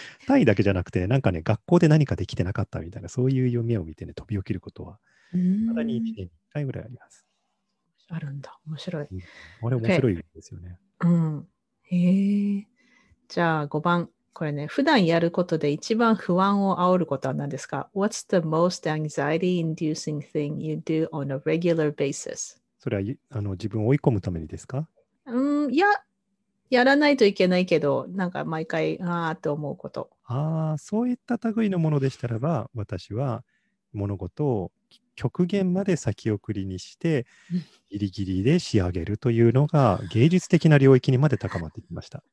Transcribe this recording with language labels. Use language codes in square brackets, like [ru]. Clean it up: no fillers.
[ja] 単位だけじゃなくて、なんかね、学校で何かできてなかったみたいな、そういう夢を見てね、飛び起きることは未だに1年に1回ぐらいあります。あるんだ、面白い、あれ面白いですよね。 Okay、 うん、へえ。じゃあ5番、これね、普段やることで一番不安を煽ることは何ですか？ [en] What's the most anxiety inducing thing you do on a regular basis? [ja] それは自分を追い込むためにですか？うん、いや、やらないといけないけど、なんか毎回あーって思うこと。ああ、そういった類のものでしたらば、私は物事を極限まで先送りにしてギリギリで仕上げるというのが芸術的な領域にまで高まってきました。